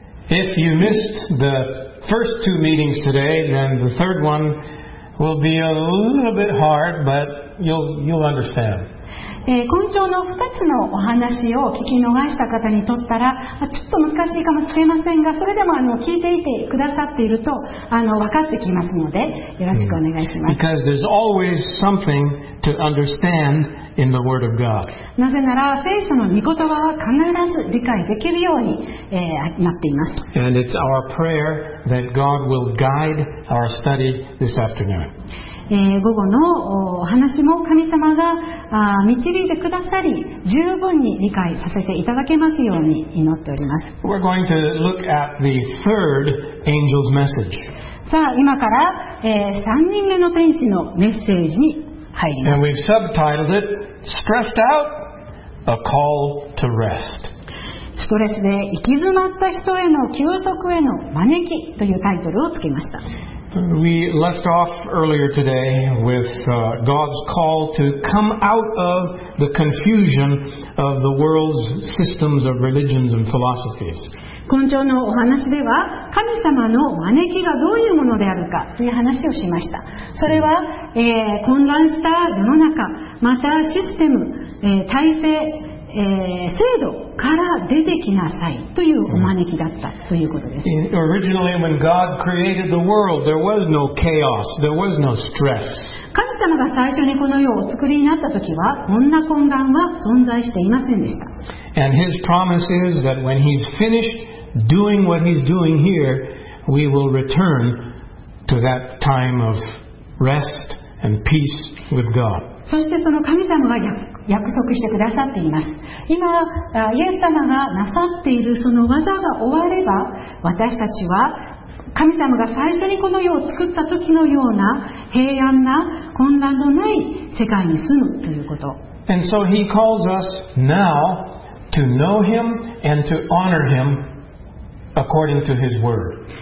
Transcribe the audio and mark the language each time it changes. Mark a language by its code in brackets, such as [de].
[en] if you missed the first two meetings today, then the third one will be a little bit hard, but you'll understand. [ja] 今朝の2つのお話を聞き逃した方にとったら、ちょっと難しいかもしれませんが、それでも聞いていてくださっていると分かってきますので、よろしくお願いします。 [en] Because there's always something to understand in the Word of God. [ja] なぜなら、聖書の御言葉は必ず理解できるようになっています。 [en] And it's our prayer that God will guide our study this afternoon. [ja] 午後のお話も神様が導いてくださり、十分に理解させていただけますように祈っております。 [en] We're going to look at the third angel's message. [ja] さあ、今から、3人目の天使のメッセージに入ります。 [en] And we've subtitled it, Stressed Out, A Call to Rest. [ja] ストレスで行き詰まった人への休息への招きというタイトルをつけました。 [en] We left off earlier today with God's call to come out of the confusion of the world's systems of religions and philosophies. [ja] 今朝のお話では、神様の招きがどういうものであるかという話をしました。それは、混乱した世の中、またシステム、体制、制度から出てきなさいというお招きだったということです。 [en] Originally, when God created the world, there was no chaos, there was no stress. [ja] 神様が最初にこの世をお作りになった時は、こんな混乱は存在していませんでした。 [en] And His promise is that when He's finished doing what He's doing here, we will return to that time of rest and peace with God. [ja] そしてその神様が約束してくださっています。今イエス様がなさっているその技が終われば、私たちは神様が最初にこの世を作った時のような平安な混乱のない世界に住むということ。 [en] And so he calls us now to know him and to honor him according to his word.